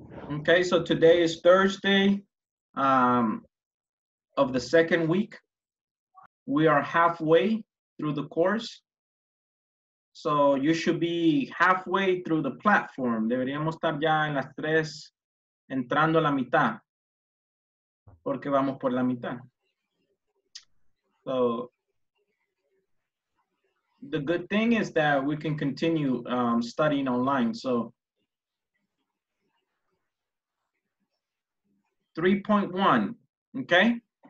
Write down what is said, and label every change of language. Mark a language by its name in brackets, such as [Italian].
[English] Okay, so today is Thursday of the second week. We are halfway through the course. So you should be halfway through the platform. [Spanish] Deberíamos estar ya en las tres, entrando a la mitad. Porque vamos por la mitad. [English] So the good thing is that we can continue studying online. So 3.1, Okay?